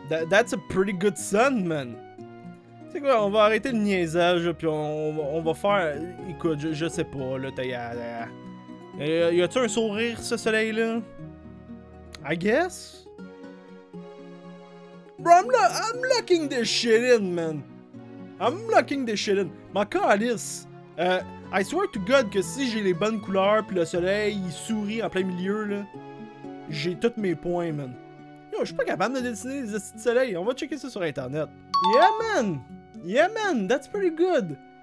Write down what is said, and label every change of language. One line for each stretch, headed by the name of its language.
English: That's a pretty good sun, man.
French: Tu sais quoi, on va arrêter le niaisage, puis on va faire... Écoute, je sais pas, là, t'as... Y a-tu un sourire, ce soleil-là?
English: I guess? Bro, I'm locking this shit in, man. I'm locking this shit in.
French: Ma calice.
English: I swear to God
French: que si j'ai les bonnes couleurs, puis le soleil, il sourit en plein milieu, là, j'ai tous mes points, man. Yo, je suis pas capable de dessiner des astuces de soleil. On va checker ça sur internet.
English: Yeah, man. That's pretty good.